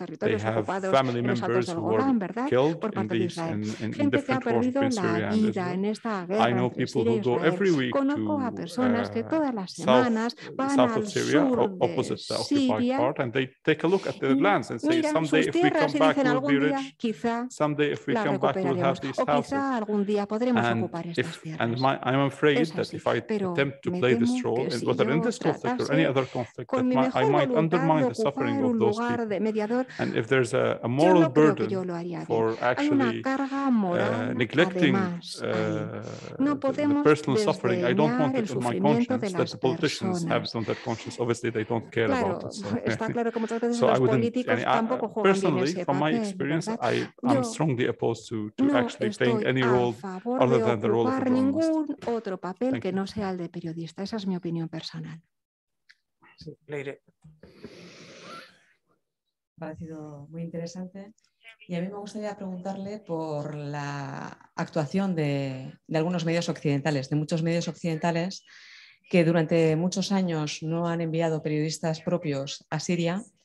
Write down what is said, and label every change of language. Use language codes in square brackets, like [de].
[en] They have family members who were killed in these in different wars between Syria and Israel. I know people who go every week to south of Syria, opposite the occupied part, and they take a look at their lands and say, someday if we come back, we'll be rich. Someday if we come back, we'll have these [es] o quizá algún día podremos ocupar estas tierras. [en] I'm afraid that if I attempt to play this role, si whether in this conflict or any other conflict, that I might undermine the suffering of those people. [es] Mediador, [en] and if there's a moral burden for actually neglecting the personal suffering, I don't want it on my conscience that the politicians have on their conscience. Obviously, they don't care about it. So I wouldn't. Personally, from my experience, I'm strongly opposed to actually playing any role other than the role of a journalist. [es] Otro papel que no sea el de periodista. Esa es mi opinión personal. Sí, Leire. Me ha parecido muy interesante. Y a mí me gustaría preguntarle por la actuación de algunos medios occidentales, de muchos medios occidentales que durante muchos años no han enviado periodistas propios a Siria,